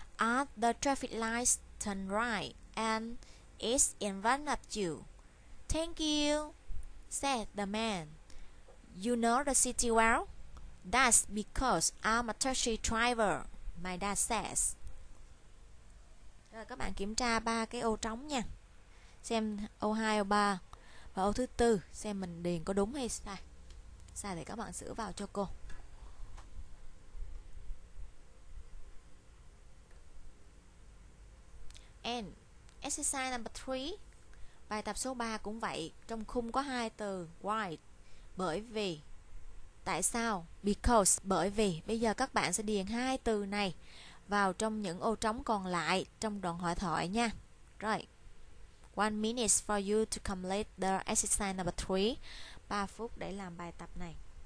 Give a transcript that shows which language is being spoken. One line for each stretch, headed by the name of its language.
English: At the traffic lights, turn right, and it's in front of you." "Thank you," said the man. "You know the city well?" "That's because I'm a taxi driver," my dad says.
Vietnamese: Rồi các bạn kiểm tra ba cái ô trống nha. Xem ô 2, ô 3 và ô thứ 4, xem mình điền có đúng hay sai. Sai thì các bạn sửa vào cho cô.
English: And exercise number 3.
Vietnamese: Bài tập số 3 cũng vậy, trong khung có hai từ why, bởi vì. Tại sao? Because, bởi vì. Bây giờ các bạn sẽ điền hai từ này vào trong những ô trống còn lại trong đoạn hội thoại nha. Rồi.
English: 1 minute for you to complete the exercise number 3.
Vietnamese: 3 phút để làm bài tập này.